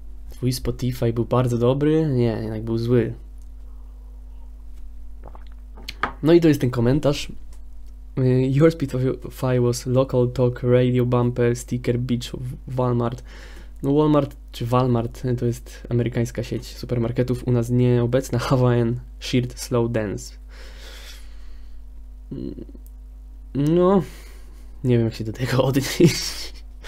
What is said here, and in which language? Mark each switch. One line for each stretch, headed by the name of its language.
Polish: Twój Spotify był bardzo dobry. Nie, jednak był zły. No i to jest ten komentarz.
English: Your Spotify was local talk radio bumper sticker bitch of Walmart.
Polish: No Walmart czy Walmart to jest amerykańska sieć supermarketów, u nas nieobecna.
English: Hawaiian shirt slow dance.
Polish: No, nie wiem jak się do tego odnieść.